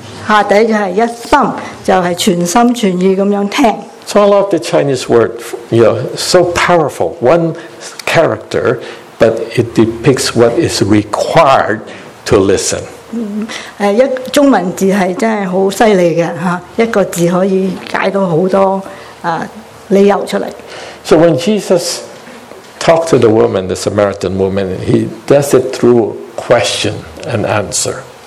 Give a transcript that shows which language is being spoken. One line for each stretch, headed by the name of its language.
Chinese: 下底就是一心，就是全心全意地听。
English: So I love the Chinese word, you know, so powerful. One character, but it depicts what is required to listen.
Chinese: 一中文字是真的很厉害的，一个字可以解到很多理由出来。So
English: when Jesus talked to the woman, the Samaritan woman, he does it through question and answer.